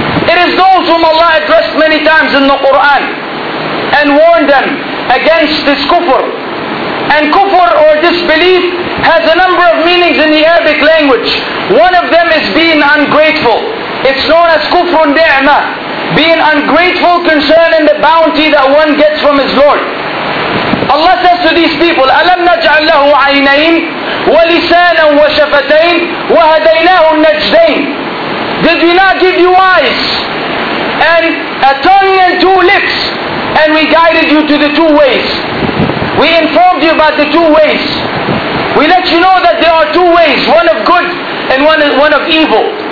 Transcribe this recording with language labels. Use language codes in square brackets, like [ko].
[en] It is those whom Allah addressed many times in the Quran and warned them against this kufr. And kufr or disbelief has a number of meanings in the Arabic language. One of them is being ungrateful. It's known as kufrun ni'mah, being ungrateful concerning the bounty that one gets from his Lord. Allah says to these people, [ar] أَلَمْ نَجْعَلْ لَهُ عَيْنَيْنِ وَلِسَانًا وَشَفَتَيْنِ وَهَدَيْنَاهُ النَّجْدَيْنِ. [en] Did we not give you eyes and a tongue and two lips, and we guided you to the two ways? We informed you about the two ways. We let you know that there are two ways, one of good and one of evil.